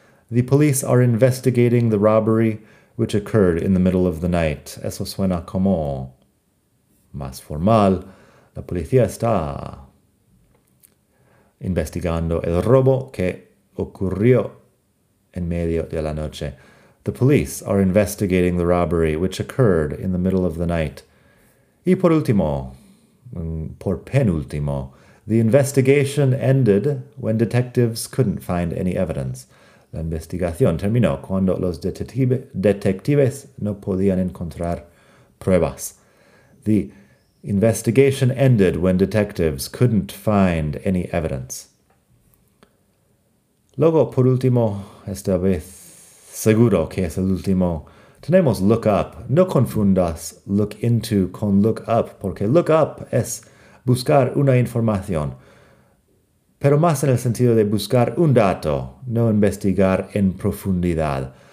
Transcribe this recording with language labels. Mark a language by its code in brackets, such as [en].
[en] The police are investigating the robbery which occurred in the middle of the night. [es] Eso suena como más formal. La policía está investigando el robo que ocurrió en medio de la noche. [en] The police are investigating the robbery which occurred in the middle of the night. [es] Y por último, por penúltimo, [en] the investigation ended when detectives couldn't find any evidence. [es] La investigación terminó cuando los detectives no podían encontrar pruebas. [en] The investigation ended when detectives couldn't find any evidence. [es] Luego, por último, esta vez seguro que es el último, tenemos look up. No confundas look into con look up, porque look up es buscar una información, pero más en el sentido de buscar un dato, no investigar en profundidad.